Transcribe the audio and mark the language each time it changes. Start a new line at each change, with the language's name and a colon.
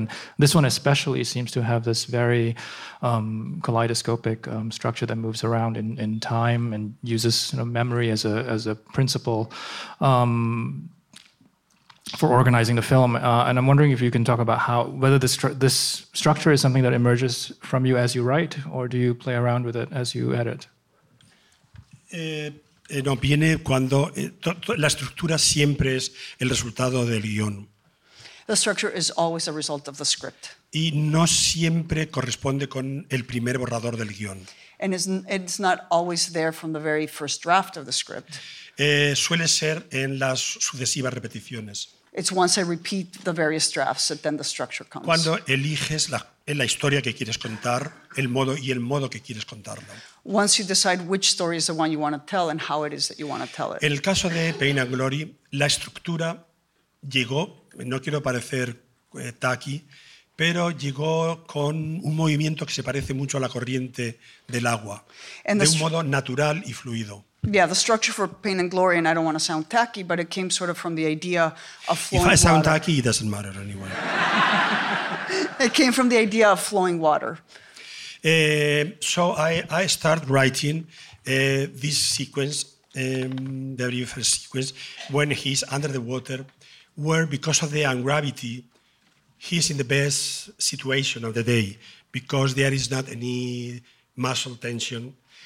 English: And this one especially seems to have this very kaleidoscopic structure that moves around in time and uses, you know, memory as a principle for organizing the film. And I'm wondering if you can talk about whether this structure is something that emerges from you as you write, or do you play around with it as you edit?
Spanish: No, viene cuando la estructura siempre es el resultado del guión.
English: The structure is always a result of the script.
Spanish: Y no siempre corresponde con el primer borrador del guión.
English: And it's not always there from the very first draft of the script.
Spanish: Suele ser en las sucesivas repeticiones.
English: It's once I repeat the various drafts that then the structure comes.
Spanish: Cuando eliges la historia que quieres contar, el modo que quieres contarlo.
English: Once you decide which story is the one you want to tell and how it is that you want to tell it.
Spanish: En el caso de Pain and Glory, la estructura llegó, no quiero parecer tacky, pero llegó con un movimiento que se parece mucho a la corriente del agua, de un modo natural y fluido.
English: Yeah, the structure for Pain and Glory, and I don't want to sound tacky, but it came sort of from the idea of flowing water. If I sound tacky, it doesn't matter anyway. It came from the idea of flowing water. So I start writing this sequence, the very first sequence, when he's under the water, where because of the ungravity, he's in the best situation of the day, because there is not any muscle tension.